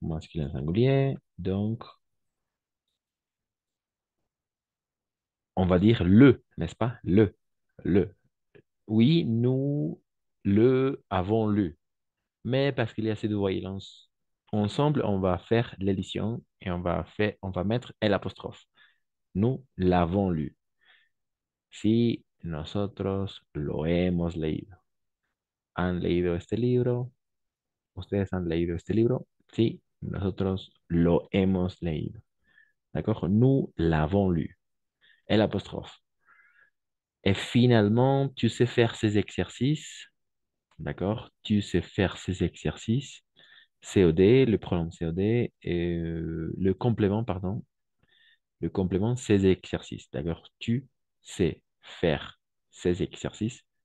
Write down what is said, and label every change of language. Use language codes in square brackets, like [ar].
[fr] Masculin singulier. Donc, on va dire le, n'est-ce pas? Le. Le. Oui, nous le avons lu. Mais parce qu'il y a ces deux voyelles ensemble, on va faire l'édition et on va mettre L apostrophe. Nous l'avons lu. [es] Si nosotros lo hemos leído. ¿Han leído este libro? ¿Ustedes han leído este libro? Sí, nosotros lo hemos leído. [fr] ¿D'accord? Nous l'avons lu. L apostrophe. Et finalement, tu sais faire ces exercices. D'accord? Tu sais faire ces exercices. COD, le pronom COD, et le complément, pardon. Le complément, ces exercices. D'accord? Tu sais faire ces exercices.